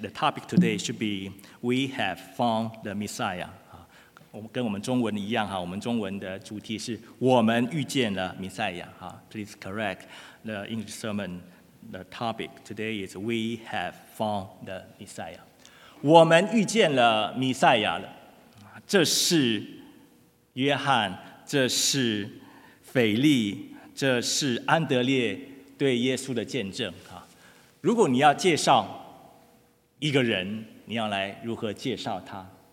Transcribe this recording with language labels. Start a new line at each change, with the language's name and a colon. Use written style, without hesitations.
English: The topic today should be We have found the Messiah.
Chinese: 跟我们中文一样，我们中文的主题是我们遇见了弥赛亚。
English: Please correct the English sermon. The topic today is We have found the Messiah.
Chinese: 我们遇见了弥赛亚了。这是约翰，这是腓力这是安德烈对耶稣的见证如果你要介绍一个人你要来如何介绍他